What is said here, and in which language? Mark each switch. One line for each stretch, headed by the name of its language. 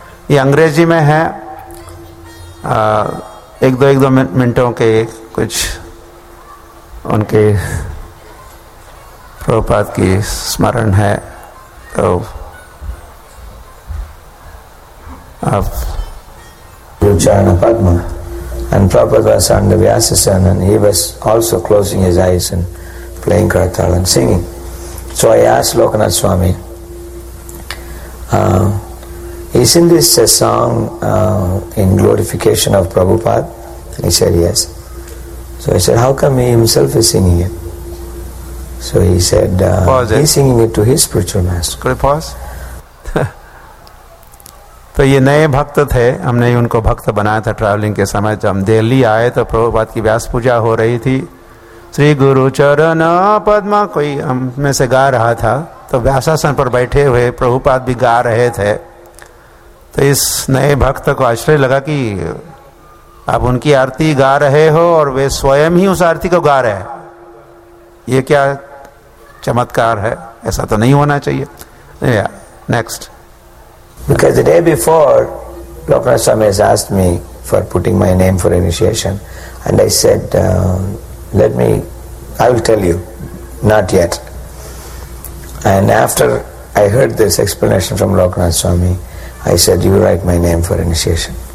Hindi: ये अंग्रेजी में है, एक दो मिनटों के कुछ उनके प्रभुपाद की स्मरण है, तो आप उच्चारण पद्म।
English: And Prabhupada was under Vyasasana and he was also closing his eyes and playing Karatala and singing. So I asked Lokanath Swami, isn't this a song in glorification of Prabhupada? And he said yes. So I said, how come he himself is singing it? So he said, he's singing it to his spiritual master. Could I pause?
Hindi: तो ये नए भक्त थे, हमने उनको भक्त बनाया था ट्रैवलिंग के समय। जब हम दिल्ली आए तो प्रभुपाद की व्यास पूजा हो रही थी, श्री गुरु चरण पद्मा कोई हम में से गा रहा था, तो व्यासासन पर बैठे हुए प्रभुपाद भी गा रहे थे। तो इस नए भक्त को आश्चर्य लगा कि आप उनकी आरती गा रहे हो और वे स्वयं ही उस आरती को गा रहे हैं, ये क्या चमत्कार है, ऐसा तो नहीं होना चाहिए।
English: Next. Because the day before, Lokanath Swami has asked me for putting my name for initiation, and I said, I will tell you, not yet. And after I heard this explanation from Lokanath Swami, I said, you write my name for initiation.